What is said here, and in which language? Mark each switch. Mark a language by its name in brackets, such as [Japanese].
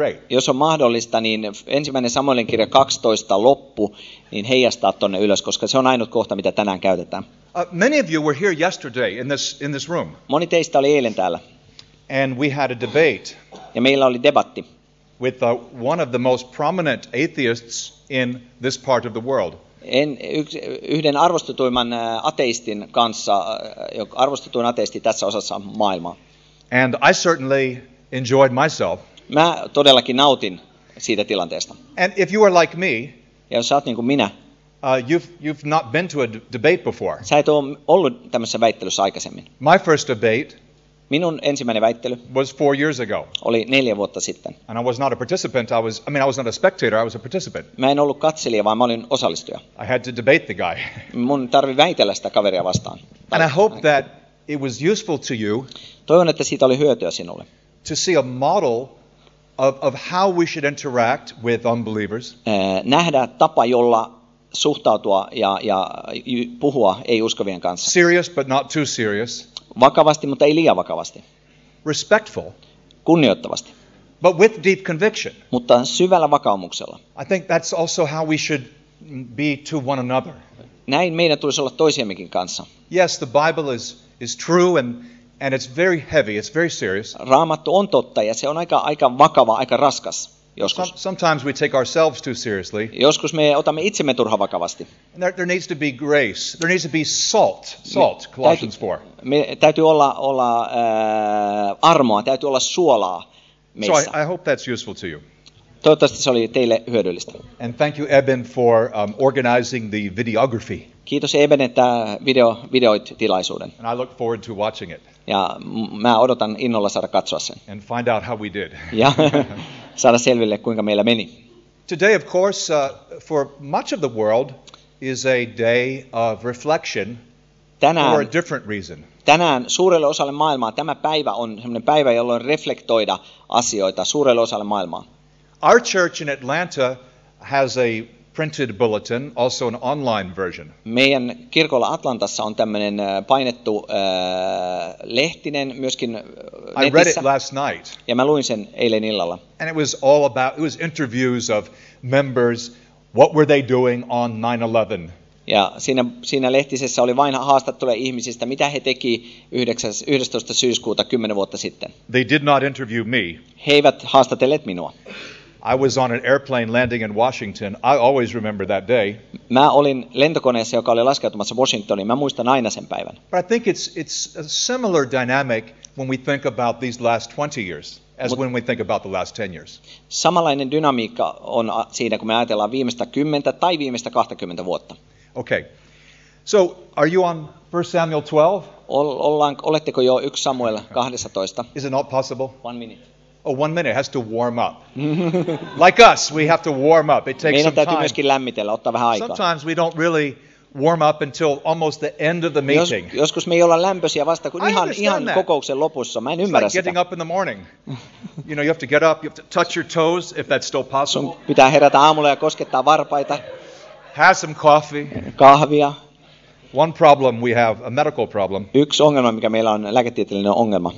[Finnish] Jos on mahdollista, niin ensimmäinen Samuelin kirja 12 loppu, niin heijastaa tuonne ylös, koska se on ainut kohta, mitä tänään käytetään. [English] Many of you were here yesterday in this room. [Finnish] Moni teistä oli eilen täällä. [English] And we had a debate. [Finnish] Ja meillä oli debatti. [English] With one of the most prominent atheists in this part of the world. [Finnish] Yhden arvostetuimman ateistin kanssa, arvostetuin ateisti tässä osassa maailmaa. [English] And I certainly enjoyed myself. [Finnish] Mä todellakin nautin siitä tilanteesta. [English] And if you are like me, [Finnish] ja jos sä oot niin kuin minä, [English] you've not been to a debate before. [Finnish] Sä et ole ollut tämmöisessä väittelyssä aikaisemmin. [English] My first debate, [Finnish] minun ensimmäinen väittely, [English] was 4 years ago. [Finnish] Oli 4 vuotta sitten. [English] And I was not a participant. I was not a spectator. I was a participant. [Finnish] Mä en ollut katselija, vaan mä olin osallistuja. [English] I had to debate the guy. [Finnish] Mun tarvi väitellä sitä kaveria vastaan. [English] And I hope that it was useful to you. [Finnish] Toivon, että siitä oli hyötyä sinulle. [English] To see a model of how we should interact with unbelievers. [Finnish] Nähdä tapa, jolla suhtautua ja puhua ei-uskovien kanssa. [English] Serious but not too serious. [Finnish] Vakavasti, mutta ei liian vakavasti. [English] Respectful. [Finnish] Kunnioittavasti. [English] But with deep conviction. [Finnish] Mutta syvällä vakaumuksella. [English] I think that's also how we should be to one another. [Finnish] Näin meidän tulisi olla toisiemmekin kanssa. [English] Yes, the Bible is true and it's very heavy, it's very serious. [Finnish] Raamattu on totta ja se on aika vakava, aika raskas joskus. [English] Sometimes we take ourselves too seriously. [Finnish] Joskus me otamme itsemme turha vakavasti. [English] And there needs to be grace. There needs to be salt, Colossians 4. [Finnish] Täytyy olla armoa, täytyy olla suolaa meissä. [English] So I hope that's useful to you. [Finnish] Toivottavasti se oli teille hyödyllistä. [English] And thank you Eben for organizing the videography. [Finnish] Kiitos Eben, että videoit tilaisuuden. [English] And I look forward to watching it. [Finnish] Ja mä odotan innolla saada katsoa sen. [English] And find out how we did. [Finnish] Ja saada selville, kuinka meillä meni. [English] Today, of course, for much of the world is a day of reflection for a different reason. [Finnish] Tänään suurelle osalle maailmaa tämä päivä on semmoinen päivä, jolloin reflektoida asioita suurelle osalle maailmaa. [English] Our church in Atlanta has a printed bulletin, also an online version. [Finnish] Meidän kirkolla Atlantassa on tämmöinen painettu lehtinen myöskin netissä. [English] I read it last night. [Finnish] Ja mä luin sen eilen illalla. [English] And it was interviews of members, what were they doing on 9/11? [Finnish] Ja siinä lehtisessä oli vain haastatteluja ihmisistä, mitä he teki 11. syyskuuta 10 vuotta sitten. [English] They did not interview me. [Finnish] He eivät haastatelleet minua. [English] I was on an airplane landing in Washington. I always remember that day. [Finnish] Mä olin lentokoneessa, joka oli laskeutumassa Washingtoniin. Mä muistan aina sen päivän. [English] But I think it's a similar dynamic when we think about these last 20 years as when we think about the last 10 years. [Finnish] Samanlainen dynamiikka on siinä, kun me ajatellaan viimeistä 10 tai viimeistä 20 vuotta. [English] Okay. So, are you on 1 Samuel 12? [Finnish] Oletteko jo 1 Samuel 12? [English] Is it not possible? 1 minute. Oh, 1 minute, it has to warm up. Like us, we have to warm up. It takes some time. [Finnish] Myöskin lämmitellä, ottaa vähän aikaa. [English] Sometimes we don't really warm up until almost the end of the meeting. [Finnish] Joskus me ei olla lämpöisiä vasta kuin ihan kokouksen lopussa. Mä en ymmärrä sitä. [English] Getting up in the morning. You know, you have to get up, you have to touch your toes, if that's still possible. [Finnish] Pitää herätä aamulla ja koskettaa varpaita. [English] Have some coffee. [Finnish] Kahvia. [English] One problem we have, a medical problem. [Finnish] Yksi ongelma, mikä meillä on, lääketieteellinen ongelma.